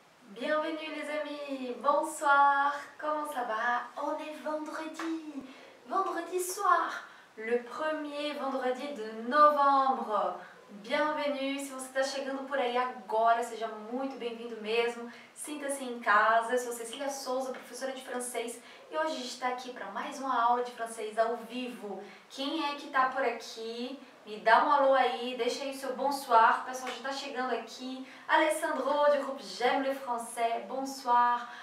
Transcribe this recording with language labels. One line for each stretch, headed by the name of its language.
French: Bienvenue les amis, bonsoir, comment ça va? On est vendredi, vendredi soir, le premier vendredi de novembre. Bienvenue,
Portuguese: se você está chegando por aí agora, seja muito bem-vindo mesmo. Sinta-se em casa, eu sou Cecília Souza, professora de francês. E hoje a gente está aqui para mais uma aula de francês ao vivo. Quem é que está por aqui? Me dá um alô aí, deixa aí o seu bonsoir. O pessoal já está chegando aqui. Alessandro, de grupo J'aime le français, bonsoir.